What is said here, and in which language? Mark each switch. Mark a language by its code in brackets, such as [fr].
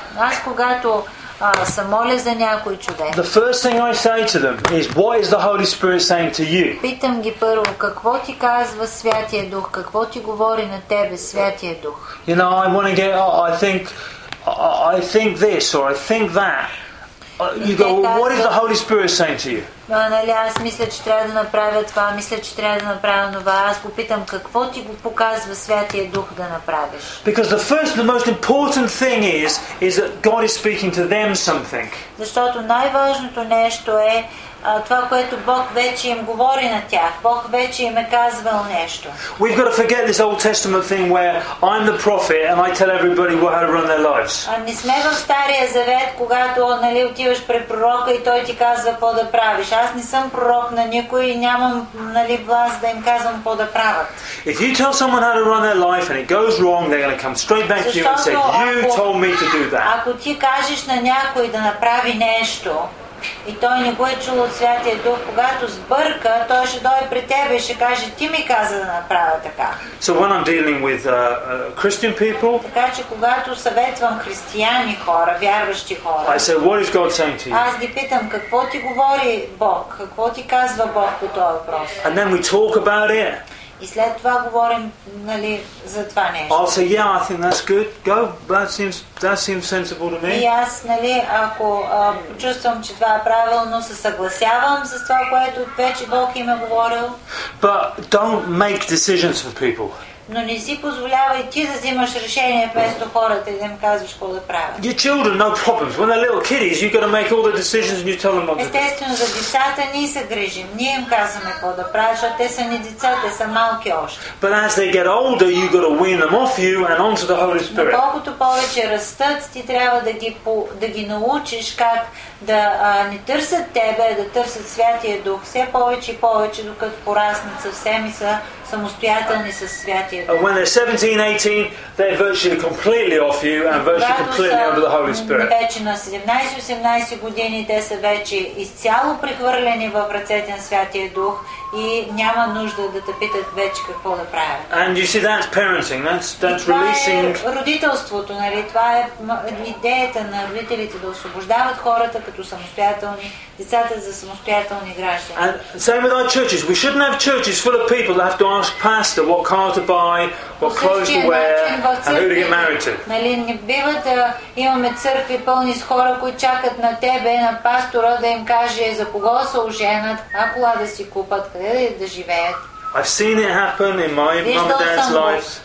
[bg] аз когато се моля за някой човек, [en] the first thing I say to them is, what is the Holy Spirit saying to you? [bg] Питам ги първо, какво ти казва Святия Дух, какво ти говори на тебе Святия Дух. [en] You know, I want to get, I think this or I think that. You go, well, what is the Holy Spirit saying to you? [bg] Нали, аз мисля, че трябва да направя това, мисля, че трябва да направя това. Аз го питам, какво ти го показва Святия Дух да направиш? [en] Because the most important thing is that God is speaking to them something. [bg] Защото най-важното нещо е това, което Бог вече им говори на тях. Бог вече им е казвал нещо. [en] We've got to forget this Old Testament thing where I'm the prophet and I tell everybody how to run their lives. [bg] Не сме в Стария Завет, когато отиваш пред пророка и той ти казва какво да правиш. Аз не съм пророк на никой и нямам власт да им казвам какво да правят. [en] If you tell someone how to run their life and it goes wrong, they're going to come straight back to you and say, you told me to do that. [bg] Ако ти кажеш на някой да направи нещо И той не го е чул от Святия Дух, когато сбърка, той ще дойде при теб и ще каже: "Ти ми каза да направя така." [en] So when I'm dealing with Christian people, [bg] така че когато съветвам християни хора, вярващи хора, [en] I say, "What is God saying to you?" [bg] Аз ги питам: "Какво ти говори Бог? Какво ти казва Бог по този въпрос?" [en] And then we talk about it. [bg] И след това говорим, нали, за това нещо. [en] I'll say, "Yeah, I think that's good. Go. That seems sensible to me." [bg] И аз, нали, ако чувствам, че това е правилно, се съгласявам с това, което вече Бог им е говорил. [en] But don't make decisions for people. [bg] Но не си позволявай ти да взимаш решение вместо хората и да им казваш какво да правят. [en] Your children, no problems. When they're little kiddies, you've got to make all the decisions and you tell them what to do. [bg] Естествено, за децата ние се грижим. Ние им казваме какво да правят, защото те са ни деца, те са малки още. [en] But as they get older, you've got to wean them off you and onto the Holy Spirit. [bg] Но колкото повече растат, ти трябва да ги, научиш как да не търсят тебе, да търсят Святия Дух. Все повече и повече, докато пораснат съвсем и са самостоятелни със Свят. [en] And when they're 17, 18, they're virtually completely off you and virtually completely under the Holy Spirit. [bg] Вече на 17-18 години те са вече изцяло прехвърлени в ръцете на Святия Дух и няма нужда да те питат вече какво да правят. [en] And you see, that's parenting. That's releasing. [bg] Родителството, нали? Това е идеята на родителите да освобождават хората като самостоятелни, децата за самостоятелни граждани. [en] And same with our churches. We shouldn't have churches full of people that have to ask pastor what car to buy, what clothes to wear, and who to get married to. [bg] Нали, не бива да имаме църкви пълни с хора, които чакат на тебе, на пастора, да им каже за кого са оженят, а кола да си купат, къде да живеят. [en] I've seen it happen in my mom and dad's lives.